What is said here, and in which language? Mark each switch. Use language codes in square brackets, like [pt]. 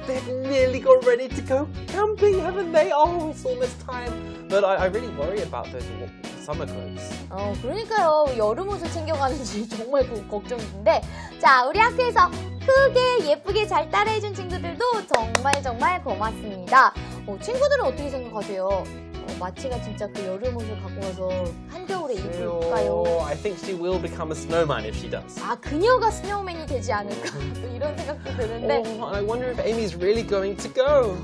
[en] They've nearly got ready to go camping, haven't they? Oh, it's almost time. But I really worry about those summer clothes. [ko] 그러니까요. 여름 옷을 챙겨가는지 정말 걱정인데. 자, 우리 학교에서 크게 예쁘게 잘 따라해준 친구들도 정말 정말 고맙습니다. 친구들은 어떻게 생각하세요? 마치가 진짜 그 여름 옷을 갖고 가서 한겨울에 입을까요? [en] I think she will become a snowman if she does. [ko] 아, 그녀가 스노우맨이 되지 않을까? 이런 생각도 드는데. [en] Oh, I wonder if Amy's really going to go.